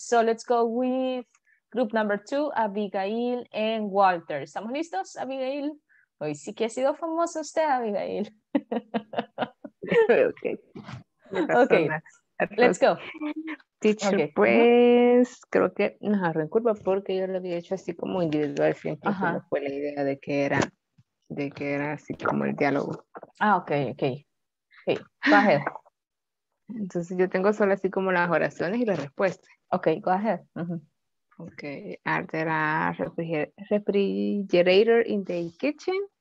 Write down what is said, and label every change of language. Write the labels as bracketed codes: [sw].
[en] So let's go with group number 2, Abigail and Walter. [es] ¿Estamos listos, Abigail? Hoy sí que ha sido famosa usted, Abigail. [en] Okay. Okay. Let's go. Teacher, okay. [es] Pues creo que nos agarró en curva porque yo lo había hecho así como individual, siempre fue la idea de que era. De que era así como el diálogo. [en] Ah, ok, ok. Hey, go ahead. [es] Entonces yo tengo solo así como las oraciones y las respuestas. [en] Ok, go ahead. Uh-huh. Ok, are there a refrigerator in the kitchen?